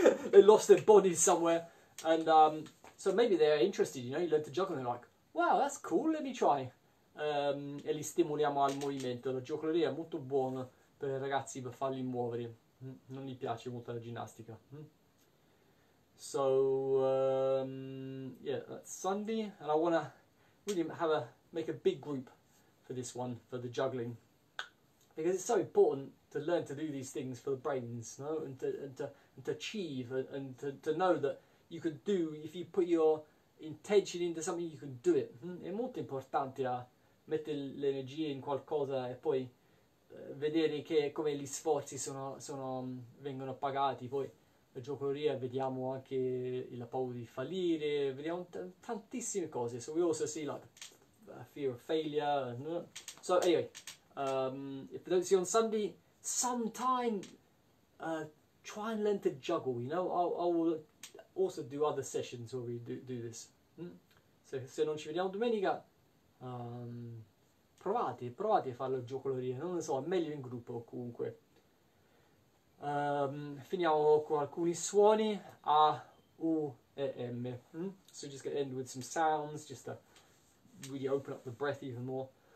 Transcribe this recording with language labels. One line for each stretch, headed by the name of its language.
English: They lost their bodies somewhere, and so maybe they're interested. You know, you learn to juggle, and they're like, "Wow, that's cool. Let me try."
Italian: E li stimoliamo al movimento. La giocoleria è molto buona per i ragazzi per farli muovere. Non gli piace molto la ginnastica.
English: So yeah, that's Sunday, and I wanna really make a big group for this one, for the juggling, because it's so important. To learn to do these things for the brains, no, and to achieve and to know that you could do if you put your intention into something you can do it.
Italian: È molto importante a mettere l'energia in qualcosa e poi vedere che come gli sforzi vengono pagati. Poi la giocoleria vediamo anche la paura di fallire, vediamo tantissime cose.
English: So we also see like a fear of failure. So anyway, if you don't see on Sunday. Sometime, try and learn to juggle. You know, I will also do other sessions where we do this.
Italian: Se non ci vediamo domenica, provate a fare la giocoleria. Non lo so, è meglio in gruppo comunque. Finiamo con alcuni suoni A, U e M.
English: So just gonna end with some sounds, just to really open up the breath even more.